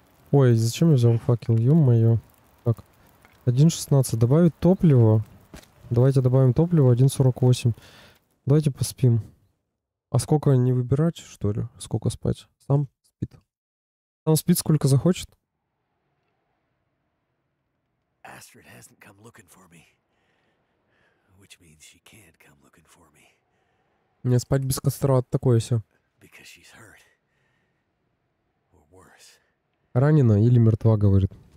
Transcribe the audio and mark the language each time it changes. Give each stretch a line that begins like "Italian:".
Russian: Ой, зачем я взял факел? Ё-моё. Так, 1.16. Добавить топливо. Давайте добавим топливо, 1.48. Давайте поспим. А сколько не выбирать, что ли? Сколько спать? Сам спит. Сам спит сколько захочет.
English: Astrid hasn't come looking for me. Which means she can't come looking for me.
Russian: Мне спать без костра от такое все.
English: Because she's hurt. Or worse.
Russian: Ранена или мертва, говорит.